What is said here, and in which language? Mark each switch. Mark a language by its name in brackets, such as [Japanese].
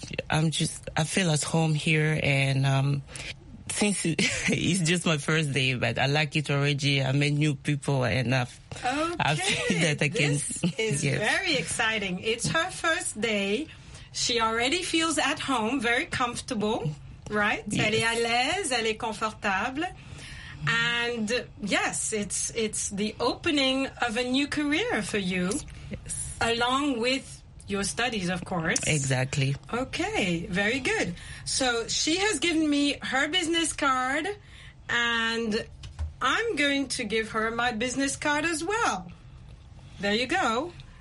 [English] I feel at home here, and since it's just my first day, but I like it already. I met new people, and okay. I feel that I can. This is yes. Very exciting. It's her first day. She already feels at home, very comfortable, right? Yes. [French] Elle est à l'aise, elle est confortable. [English] And yes, it's the opening of a new career for you, yes. Along with your studies, of course. Exactly. Okay, very good. So she has given me her business card, and I'm going to give her my business card as well. There you go.